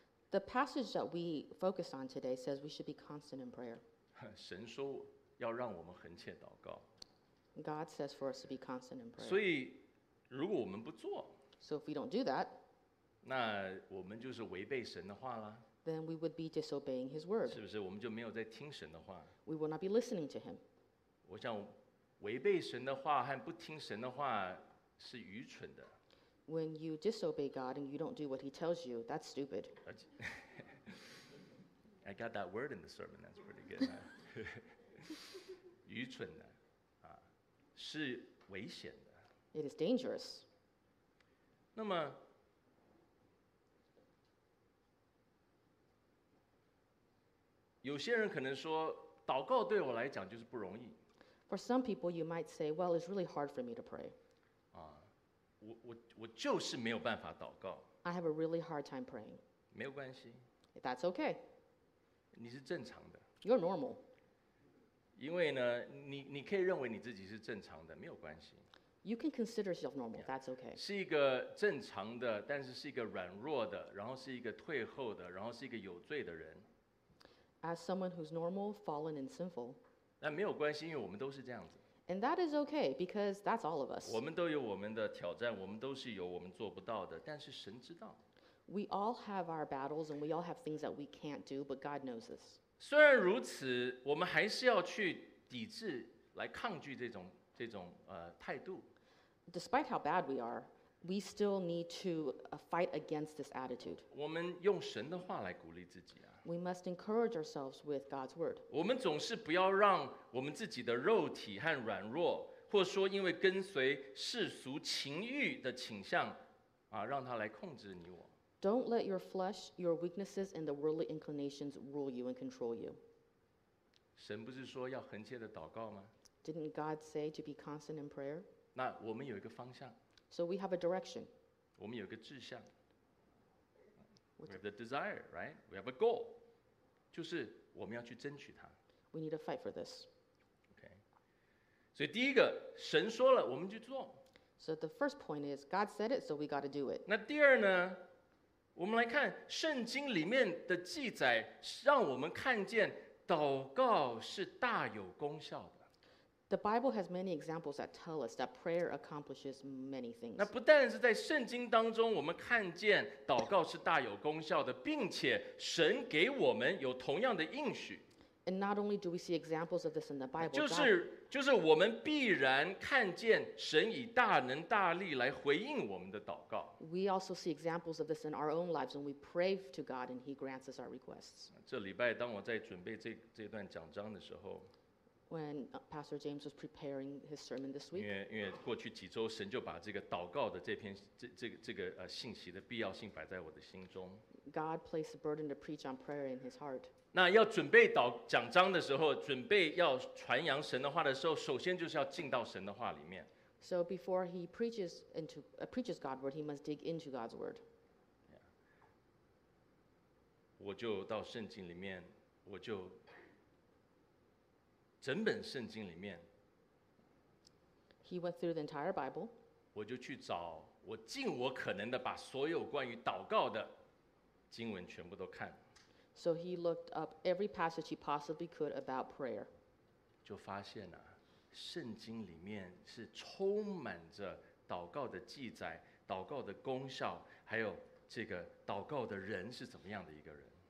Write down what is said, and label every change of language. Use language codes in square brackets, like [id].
[en] The passage that we focus on today says we should be constant in prayer. [zh] 神说要让我们恒切祷告。 [en] God says for us to be constant in prayer. [zh] 所以如果我们不做。 [en] So if we don't do that, [zh] 那我们就是违背神的话啦。 [en] Then we would be disobeying His word. [zh] 是不是？我们就没有在听神的话。 [en] We will not be listening to Him. [zh] 我想违背神的话和不听神的话是愚蠢的。 [en] When you disobey God and you don't do what He tells you, that's stupid. I got that word in the sermon. That's pretty good. [zh] 愚蠢的，啊，是危险的。 [en] It is dangerous. [zh] 那么，有些人可能说，祷告对我来讲就是不容易。 [en] For some people, you might say, "Well, it's really hard for me to pray." [zh] 啊，我就是没有办法祷告。 [en] I have a really hard time praying. [zh] 没有关系。 [en] That's okay. [zh] 你是正常的。 [en] You're normal. [zh] 因为呢，你可以认为你自己是正常的，没有关系。 [en] You can consider yourself normal. That's okay. [zh] 是一个正常的，但是是一个软弱的，然后是一个退后的，然后是一个有罪的人。 [en] As someone who's normal, fallen, and sinful. [zh] 那没有关系，因为我们都是这样子。 [en] And that is okay because that's all of us. [zh] 我们都有我们的挑战，我们都是有我们做不到的，但是神知道。 [en] We all have our battles, and we all have things that we can't do, but God knows this. [zh] 虽然如此，我们还是要去抵制，来抗拒这种态度。 [en] Despite how bad we are, we still need to fight against this attitude. [zh] 我们用神的话来鼓励自己啊。 [en] We must encourage ourselves with God's word. [zh] 我们总是不要让我们自己的肉体和软弱，或者说因为跟随世俗情欲的倾向啊，让它来控制你我。 [en] Don't let your flesh, your weaknesses, and the worldly inclinations rule you and control you. [zh] 神不是说要恒切的祷告吗？ [en] Didn't God say to be constant in prayer? [zh] 那我们有一个方向。 [en] So we have a direction. [zh] 我们有一个志向。 [en] We have the desire, right? We have a goal. [zh] 就是我们要去争取它。 [en] We need to fight for this. Okay. [zh] 所以第一个，神说了，我们就做。 [en] So the first point is, God said it, so we got to do it. [zh] 那第二呢？我们来看圣经里面的记载，让我们看见祷告是大有功效的。 [en] The Bible has many examples that tell us that prayer accomplishes many things. [zh] 那不但是在圣经当中我们看见祷告是大有功效的，并且神给我们有同样的应许。 [en] And not only do we see examples of this in the Bible, [zh] 就是我们必然看见神以大能大力来回应我们的祷告。 [en] We also see examples of this in our own lives when we pray to God and He grants us our requests. [zh] 这礼拜当我在准备 这段讲章的时候， [en] When Pastor James was preparing his sermon this week, [zh] 因为过去几周神就把这个祷告的这篇这个信息的必要性摆在我的心中。 [en] God placed a burden to preach on prayer in his heart. [zh] 那要准备讲章的时候，准备要传扬神的话的时候，首先就是要进到神的话里面。 [en] So before he preaches preaches God's word, he must dig into God's word. Yeah. [zh] 我就到圣经里面，我就。整本圣经里面 [en] He went through the entire Bible. [zh] 我就去找，我尽我可能的把所有关于祷告的经文全部都看。 [en] So he looked up every passage he possibly could about prayer. [zh] 就发现啊，圣经里面是充满着祷告的记载，祷告的功效，还有这个祷告的人是怎么样的一个人。